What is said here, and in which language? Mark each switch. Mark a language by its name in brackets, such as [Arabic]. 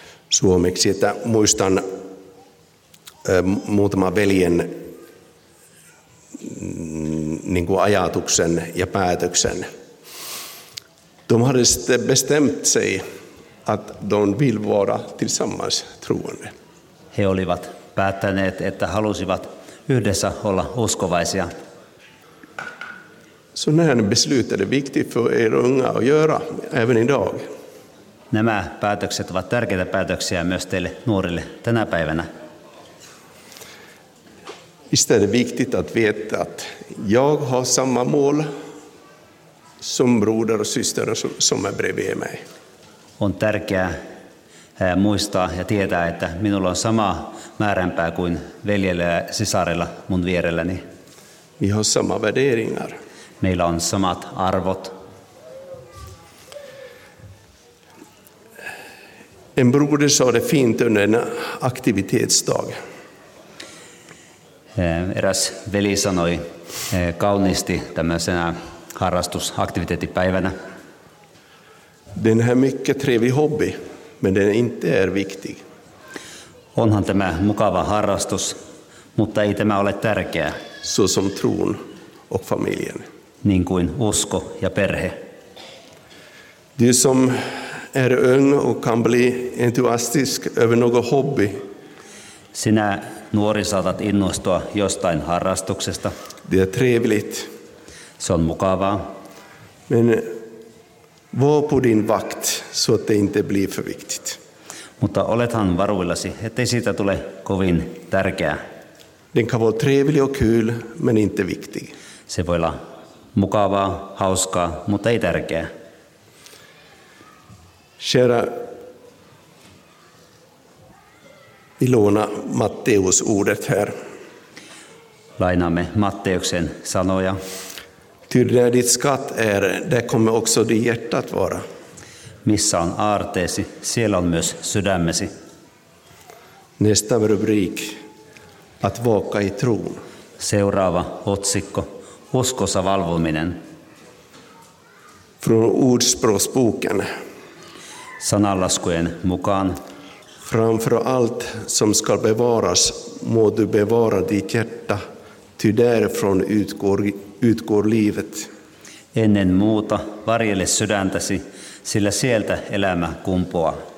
[Finnish] Suomeksi, että muistan muutaman veljen niin kuin ajatuksen ja päätöksen. [Swedish] De hade bestämt sig att de vill vara tillsammans troende. [Finnish] He olivat päättäneet, että halusivat yhdessä olla uskovaisia. [Swedish] Så när beslutet är viktigt för er unga att göra även idag. [Finnish] Nämä päätökset ovat tärkeitä päätöksiä myös teille nuorille tänä päivänä. [Swedish] Visst är det viktigt att veta att jag har samma mål som broder och syster som är bredvid mig. [Finnish] On tärkeää muistaa ja tietää, että minulla on sama määränpää kuin veljellä ja sisarella mun vierelläni. [Swedish] Vi har samma värderingar. [Finnish] Meillä on samat arvot. [Swedish] En broder sa det fint under en aktivitetsdag. [Finnish] Eräs veli sanoi kauniisti tämmöisenä harrastusaktiviteettipäivänä. [Swedish] Den här mycket trevlig hobby, men den inte är viktig. [Finnish] Onhan tämä mukava harrastus, mutta ei tämä ole tärkeä. [Swedish] Så som tron och familjen. [Finnish] niin kuin usko ja perhe. [Swedish] Du som är ung och kan bli entusiastisk över något hobby. [Finnish] Sinä nuori saatat innostua jostain harrastuksesta. [Swedish] Det är trevligt. [Finnish] Se on mukavaa. [Swedish] Men var på din vakt så att det inte blir för viktigt. [Finnish] Mutta olethan varuillasi, ettei siitä tule kovin tärkeää. [Swedish] Den kan vara trevlig och kul, men inte viktig. [Finnish] Se voi olla mukavaa, hauskaa, mutta ei tärkeää. [Swedish] Kära, vi lånar Matteus ordet här. [Finnish] Lainaamme Matteuksen sanoja. [Swedish] Ty där ditt skatt är, där kommer också ditt hjärta att vara. [Finnish] Missä on aarteesi, siellä on myös sydämesi. [Swedish] Nästa rubrik, att vaka i tron. [Finnish] Seuraava otsikko, uskossa valvominen. [Swedish] Från ordspråksboken. [Finnish] Sanallaskujen mukaan. [Swedish] Framför allt som ska bevaras, må du bevara ditt hjärta, ty därifrån utgår livet. [Finnish] Ennen muuta, varjele sydäntäsi, sillä sieltä elämä kumpuaa.